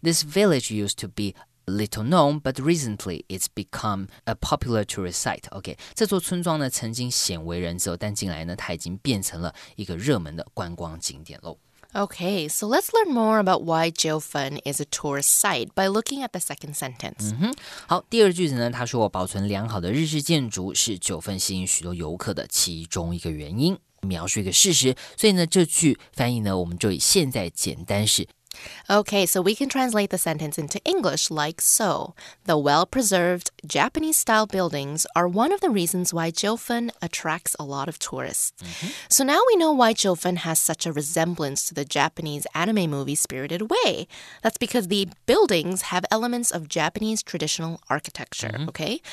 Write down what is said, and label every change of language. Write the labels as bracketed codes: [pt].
[en] This village used to be little known, but recently it's become a popular tourist site. [zh] OK， 这座村庄呢曾经鲜为人知，但近来呢它已经变成了一个热门的观光景点喽。 [en] Okay, so let's learn more about why Jiu Fen is a tourist site by looking at the second sentence. [zh] 嗯哼，好，第二句子呢，他说保存良好的日式建筑是九份吸引许多游客的其中一个原因，描述一个事实。所以呢，这句翻译呢，我们就以现在简单式。 [en] Okay, so we can translate the sentence into English like so. The well-preserved Japanese-style buildings are one of the reasons why Jiu Fen attracts a lot of tourists. Mm-hmm. So now we know why Jiu Fen has such a resemblance to the Japanese anime movie Spirited Away. That's because the buildings have elements of Japanese traditional architecture, okay?